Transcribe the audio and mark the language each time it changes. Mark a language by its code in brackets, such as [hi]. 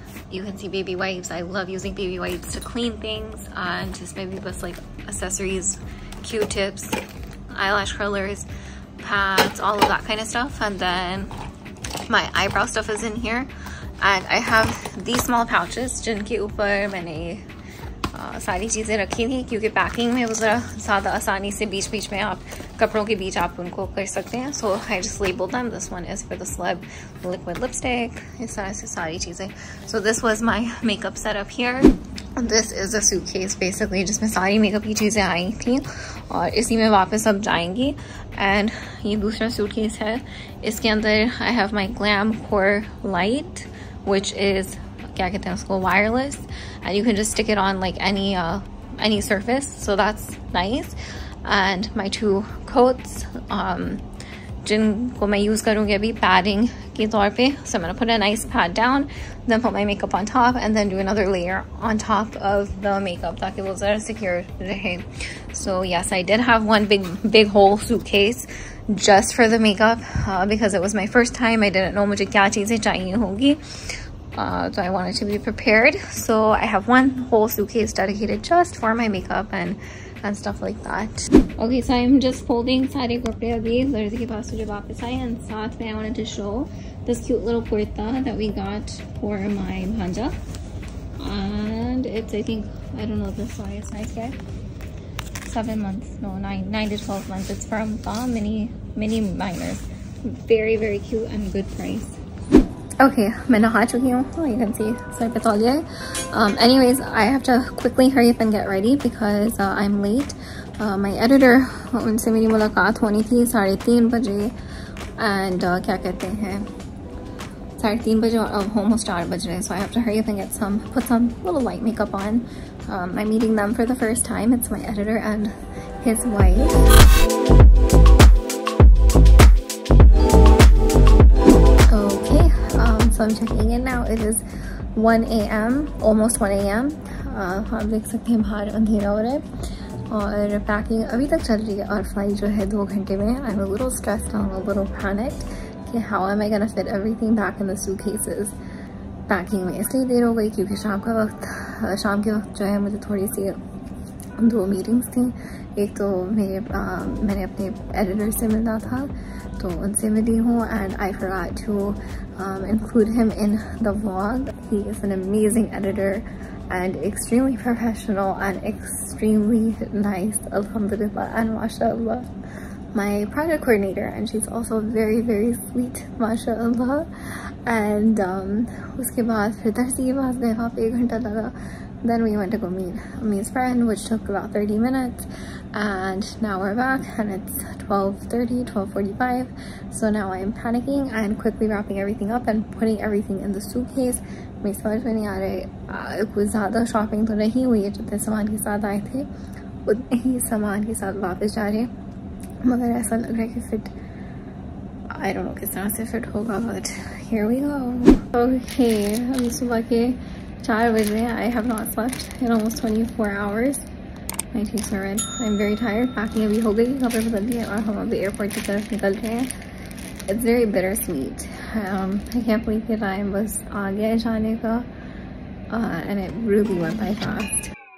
[en] You can see baby wipes. I love using baby wipes to clean things, and just maybe just like accessories, Q-tips, eyelash curlers, pads, all of that kind of stuff. And then my eyebrow stuff is in here, and I have these small pouches. [hi] Jinke upar maine सारी चीज़ें रखी थी क्योंकि packing में वो ज़रा ज़्यादा आसानी से बीच बीच में आप कपड़ों के बीच आप उनको कर सकते हैं. [en] so I just labelled them, this one is for the slub liquid lipstick, [hi] इस तरह से सारी चीज़ें. [en] So this was my makeup setup here. This is a suitcase basically [hi] जिसमें सारी मेकअप की चीज़ें आई थी और इसी में वापस अब जाएंगी. [en] and [hi] ये दूसरा सूटकेस है, इसके अंदर [en] I have my glam core light which is [hi] क्या कहते हैं उसको [en] Wireless, and you can just stick it on like any surface, so that's nice. And my two coats [hi] जिनको मैं यूज़ करूँगी अभी पैडिंग के तौर पर, [en] so मैंने put a nice pad down, then put my makeup on top, and then do another layer on top of the makeup [hi] ताकि वो ज़रा सिक्योर रहे. [en] So yes, I did have one big whole suitcase just for the makeup because it was my first time. I didn't know [hi] मुझे क्या चीज़ें चाहिए होंगी. [en] So I wanted to be prepared. So I have one whole suitcase dedicated just for my makeup and stuff like that. Okay, so I'm just folding [hi] sare kapde abhi darzi ke paas jab wapas aaye, [en] and [hi] saath mein [en] I wanted to show this cute little kurta that we got for my bhanja. And it's I don't know the size, I guess 7 months, no, 9 to 12 months. It's from the mini minor. Very, very cute and good price. Okay, [hi] मैं नहा चुकी हूँ, तो [en] you can see [hi] sir पे तौलिया है. [en] Anyways, I have to quickly hurry up and get ready because I am late. My editor, [hi] उनसे मेरी मुलाकात होनी थी 3:30 बजे, [en] and [hi] क्या कहते हैं 3:30 बजे, ऑलमोस्ट 4 बज रहे हैं. [en] So I have to hurry up and get some put some little light makeup on. I am meeting them for the first time, it's my editor and his wife. So I'm checking in now. It is 1 AM, almost 1 AM. [hi] आप देख सकते हैं बाहर अंधेरा हो रहा है और पैकिंग अभी तक चल रही है और फ्लाइट जो है 2 घंटे में. [en] I'm a little stressed, I'm a little panicked कि how am I gonna fit everything back in the suitcases. [hi] Packing में इसलिए देर हो गई क्योंकि शाम के वक्त जो है मुझे थोड़ी सी 2 मीटिंग्स थी. एक तो मैंने अपने एडिटर से मिलना था तो उनसे मिली हूँ, and [en] I forgot to include him in the vlog. He is an amazing editor and extremely professional and extremely nice, अल्हम्दुलिल्लाह and माशाल्लाह. My project coordinator and she is also very very sweet माशाल्लाह. [hi] And उसके बाद फिर दर्जी के पास में वहाँ पर 1 घंटा लगा. [en] Then we went to go meet Ami's friend, which took about 30 minutes. And now we're back and it's 12:45. So now I am panicking and quickly wrapping everything up and putting everything in the suitcase. My smart phone is not coming. It was not shopping. So not only did we come with so much clothes, we are going back with so much clothes. But it looks like it will fit. I don't know how it will fit, but here we go. Okay, I'm so lucky. [hi] 4 बज रहे हैं, [en] I have not slept in almost 24 hours. My cheeks are red, I am very tired. [hi] Packing अभी हो गई, कपड़े बदल दिए और हम अभी एयरपोर्ट की तरफ निकल रहे हैं. [en] it's very bitter sweet, I can believe [hi] कि टाइम बस आ गया है जाने का, [en] And it really went by fast.